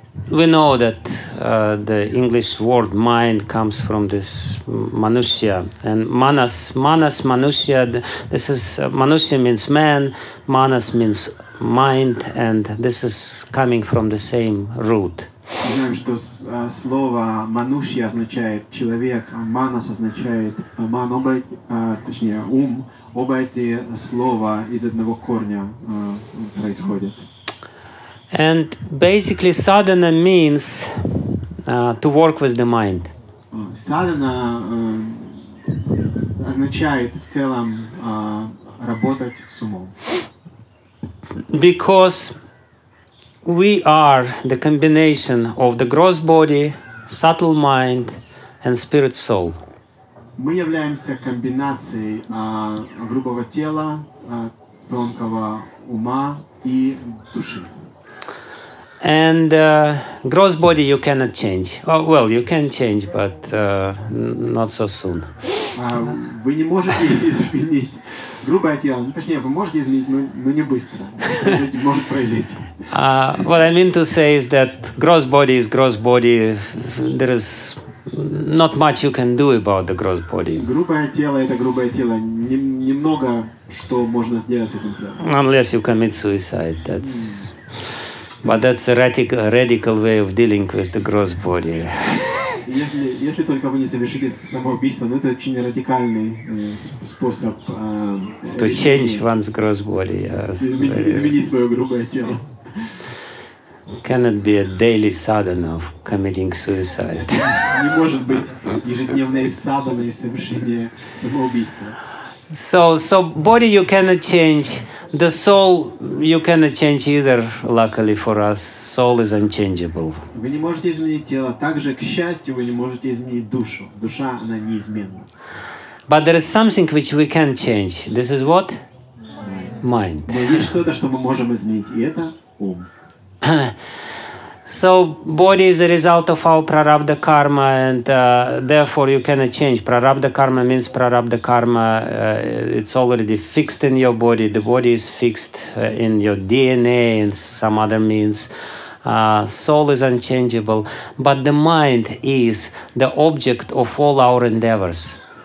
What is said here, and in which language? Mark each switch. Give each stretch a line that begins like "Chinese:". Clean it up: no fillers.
English: We know that the English word mind comes from this manushya, and manas manushya, this is manushya means man, manas means mind, and this is coming from the same root.
Russian: Мы знаем, что слово манушья означает человек, а манас означает ман, ум. Оба эти слова из одного корня происходят.
English: And basically, sadhana means to work with the mind.
Russian: Sadhana означает в целом работать с умом.
English: Because we are the combination of the gross body, subtle mind, and spirit soul.
Russian: Мы являемся комбинацией грубого тела, тонкого ума и души.
English: And gross body you cannot change. Well, you can change, but not so soon.
Russian: Вы не можете изменить грубое тело. Ну, точнее, вы можете изменить, но не быстро. Это может произойти.
English: What I mean to say is that gross body is gross body. There is not much you can do about the gross body.
Russian: Грубое тело – это грубое тело. Немного, что можно сделать с этим телом.
English: Unless you commit suicide, that's... But that's a radical way of dealing with the gross body.
Russian: Если только вы не совершите самоубийство, но это очень радикальный способ...
English: To change one's gross body.
Russian: Изменить свое грубое тело.
English: Cannot be a daily sadhana of committing suicide.
Russian: Не может быть ежедневной саданой совершения самоубийства.
English: So body you cannot change, the soul you cannot change either, luckily for us, soul is unchangeable.
Russian: Вы не можете изменить тело, также, к счастью, вы не можете изменить душу. Душа, она неизменна.
English: But there is something which we can change. This is what? Mind.
Russian: Но есть что-то, что мы можем изменить, и это ум.
English: So body is a result of our prarabdha karma, and therefore you cannot change. Prarabdha karma means prarabdha karma. It's already fixed in your body. The body is fixed in your DNA and some other means. Soul is unchangeable, but the mind is the object of all our endeavors.